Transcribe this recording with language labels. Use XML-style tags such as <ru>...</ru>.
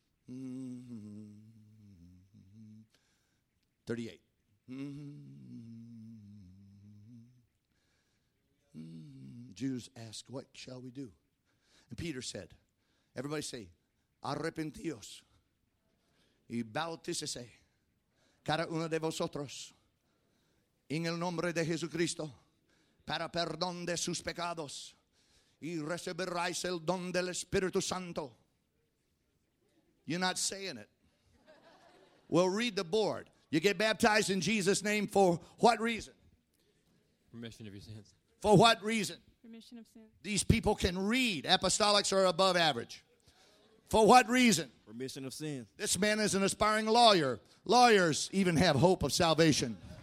<en>Mm-hmm. 38. Jews asked, what shall we do? And Peter said, everybody say,</en> <es>arrepentíos y bautícese cada uno de vosotros en el nombre de Jesucristo para perdón de sus pecados y recibiréis el don del Espíritu Santo.</es> <en>You're not saying it. Well, read the board. You get baptized in Jesus' name for what reason? Remission of your sins. For what reason? Remission of sins. These people can read. Apostolics are above average. For what reason? Remission of sins. This man is an aspiring lawyer. Lawyers even have hope of salvation.</en>